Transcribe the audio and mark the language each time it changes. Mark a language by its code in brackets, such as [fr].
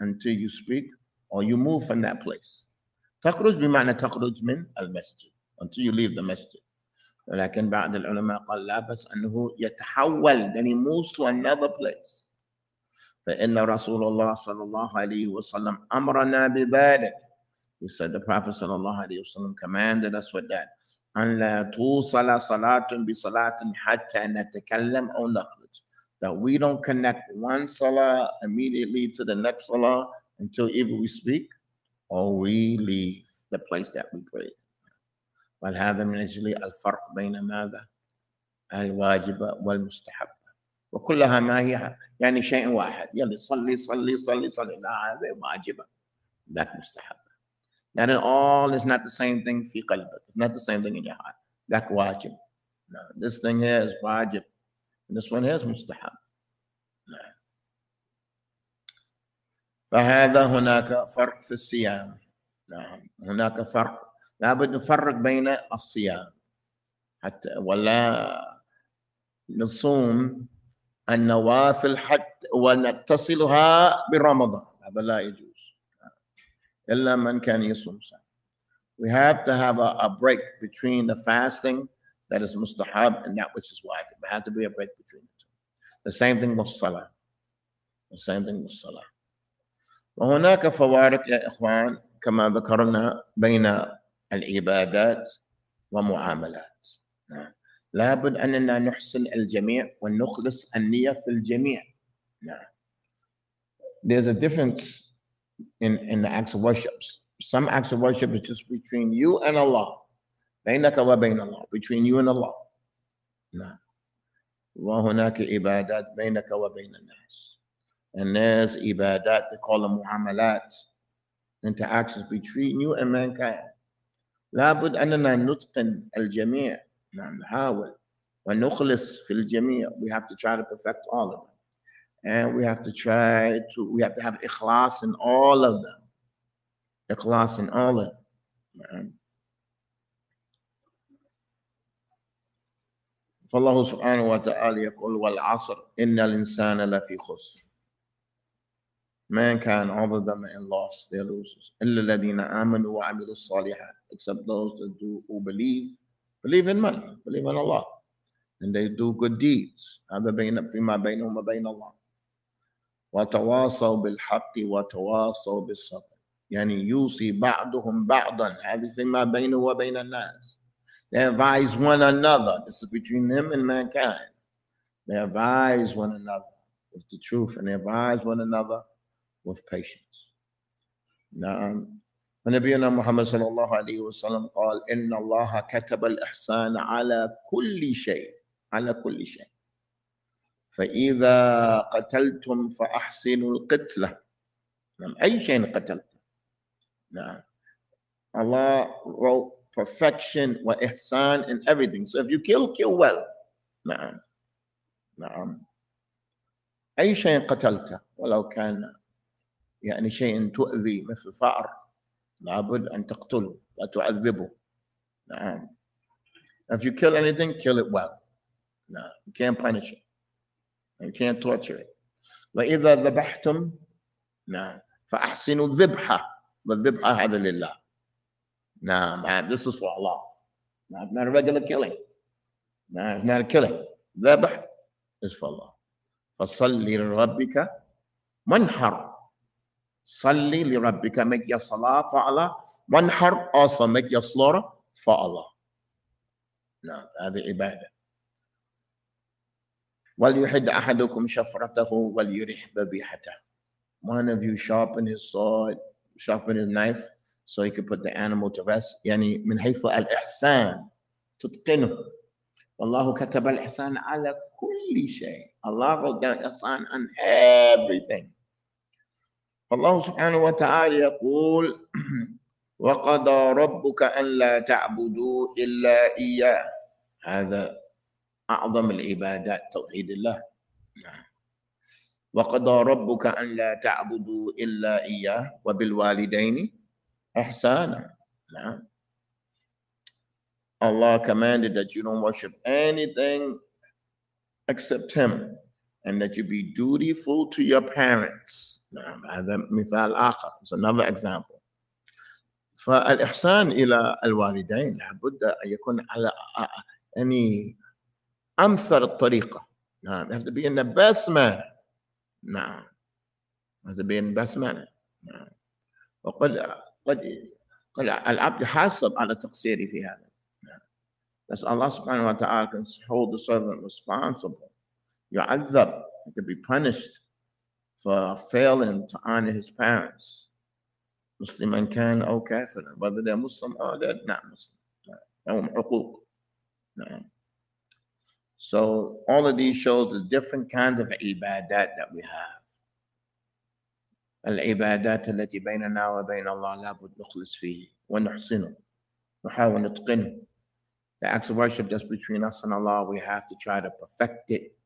[en] Until you speak or you move from that place. [ar] تخرج بمعنى تخرج من المسجد. [en] Until you leave the masjid. [ar] ولكن بعض العلماء قال لا بس أنه يتحول. [en] Then he moves to another place. [ar] فإن رسول الله صلى الله عليه وسلم أمرنا بذلك. [en] He said the Prophet [ar] صلى الله عليه وسلم [en] commanded us with that. [ar] أن لا توصل صلاة بصلاة حتى نتكلم أو نخرج. [en] That we don't connect one salah immediately to the next salah until either we speak or we leave the place that we pray. [ar] But هذا من أجل الفرق بين ماذا الواجب والمستحب وكلها ما هي يعني شيء واحد يلي صلي صلي صلي صلي لا هذا واجب that مستحب [en] that in all is not the same thing [ar] في قلبك [en] not the same thing in your heart that [ar] واجب [en] no, this thing here is [ar] واجب. [en] And this one here is مستحب. [ar] فهذا هناك فرق في الصيام. نعم. هناك فرق. لا بد نفرق بين الصيام. حتى ولا نصوم النوافل حتى ونتصلها برمضان. هذا لا يجوز. إلا من كان يصوم صيام. [en] We have to have a break between the fasting that is mustahab and that which is wajib. There had to be a break between the two. The same thing with salah. The same thing with salah. [ar] وهناك فوارق يا إخوان كما ذكرنا بين العبادات ومعاملات. لابد أننا نحسن الجميع ونخلص النية في الجميع. [en] There's a difference in the acts of worship. Some acts of worship is just between you and Allah. [ar] بينك وبين الله, [en] between you and Allah. [ar] نعم. وهناك عبادات بينك وبين الناس. [en] And there's عبادات, they call them معاملات, interactions between you and mankind. [ar] لابد أننا نتقن الجميع, نعم, نحاول, ونخلص في الجميع. [en] We have to try to perfect all of them. And we have to have إخلاص in all of them. إخلاص in all of them. نعم. [ar] فالله سبحانه وتعالى يقول والعصر إن الإنسان لفي خسر. [en] Mankind, all of them are in loss, they're losers. [ar] إلا الذين آمنوا وعملوا الصالحات. [en] Except those that do who believe in man, believe in Allah. And they do good deeds. [ar] هذا بين فيما بينهم وما بين الله. وتواصوا بالحق وتواصوا بالصبر. يعني يوصي بعضهم بعضا. هذا فيما بينه وبين الناس. [en] They advise one another. This is between him and mankind. They advise one another with the truth and they advise one another with patience. Now, [ar] نبينا محمد صلى الله عليه وسلم قال إن الله كتب الإحسان على كل شيء، على كل شيء، فإذا قتلتم فأحسنوا القتلة. نعم، أي شيء قتلتم. نعم، الله [en] wrote perfection [ar] وإحسان [en] in everything. So if you kill, kill well. [ar] نعم نعم، أي شيء قتلته ولو كان يعني شيء تؤذي مثل فأر، لابد أن تقتله وتعذبه. [en] نعم، if you kill anything, kill it well. نعم، you can't punish it and can't torture it. [ar] وإذا ذبحتم، نعم، فأحسنوا الذبحة، والذبحة هذا لله. [en] نعم، this is for Allah. نعم، not a regular killing. نعم، not a killing. [ar] ذبح [en] is for Allah. [ar] فصلي لربك وانحر. صلي لربك، [en] make your salah for Allah. [ar] وانحر [en] also make your slaughter for Allah. [ar] نعم، هذه عبادة. وليحد أحدكم شفرته وليرح ذبيحته. [en] One of you sharpen his sword, sharpen his knife, so he could put the animal to rest. [ar] يعني من حيث الإحسان تتقنه. والله كتب الإحسان على كل شيء. [en] Allah wrote down إحسان on everything. [ar] الله سبحانه وتعالى يقول وقضى ربك أن لا تعبدوا إلا إياه. هذا أعظم العبادات، توحيد الله. وقضى ربك أن لا تعبدوا إلا إياه وبالوالدين إحسانا. [en] نعم، Allah commanded that you don't worship anything except him and that you be dutiful to your parents. [ar] نعم، هذا مثال آخر. [en] It's another example. [ar] فالإحسان إلى الوالدين لابد أن يكون على يعني أمثل الطريقة. [en] نعم، you have to be in the best manner. [ar] نعم، هذا بين بسمنا. نعم، وقد قد العبد يحاسب على تقصيره في هذا. نعم، بس الله سبحانه وتعالى [en] can hold the servant responsible. يعذب، he can be punished for failing to honor his parents. [ar] مسلما كان أو كافرا، [en] whether they're Muslim or they're not Muslim. [ar] لهم حقوق. [en] نعم. So all of these shows the different kinds of ibadat that we have. [ar] العبادات التي بيننا وبين الله لابد نخلص فيه ونحسنه، نحاول نتقنه. [en] The acts of worship just between us and Allah, we have to try to perfect it.